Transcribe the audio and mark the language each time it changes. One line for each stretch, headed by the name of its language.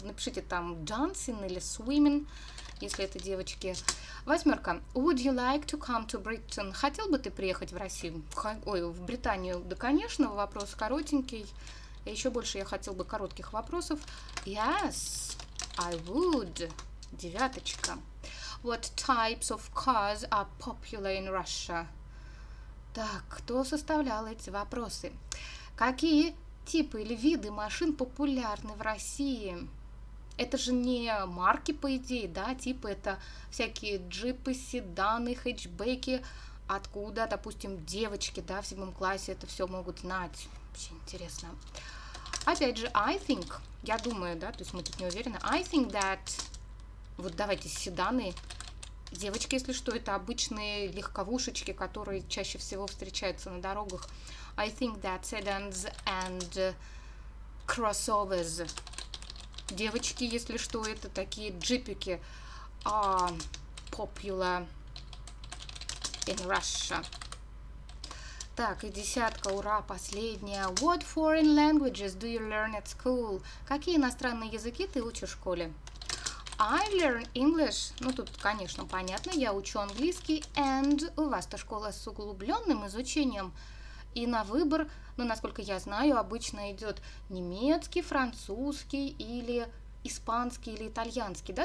Russian: Напишите там dancing или swimming, если это девочки. Восьмерка.
English: Would you like to come to Britain?
Russian: Хотел бы ты приехать в Россию? В Британию? Да, конечно, вопрос коротенький. И еще больше я хотел бы коротких вопросов.
English: Yes, I would.
Russian: Девяточка.
English: What types of cars are popular in Russia?
Russian: Так, кто составлял эти вопросы? Какие типы или виды машин популярны в России? Это же не марки, по идее, да? Типы – это всякие джипы, седаны, хэтчбеки. Откуда, допустим, девочки, да, в 7 классе это все могут знать? Вообще интересно. Опять же,
English: I think,
Russian: я думаю, да, то есть мы тут не уверены,
English: I think that...
Russian: Вот давайте седаны. Девочки, если что, это обычные легковушечки, которые чаще всего встречаются на дорогах.
English: I think that sedans and crossovers.
Russian: Девочки, если что, это такие джипики
English: are popular in Russia.
Russian: Так, и десятка, ура, последняя.
English: What foreign languages do you learn at school?
Russian: Какие иностранные языки ты учишь в школе?
English: I learn English.
Russian: Ну, тут, конечно, понятно, я учу английский. And у вас-то школа с углубленным изучением. И на выбор, ну, насколько я знаю, обычно идет немецкий, французский или испанский или итальянский.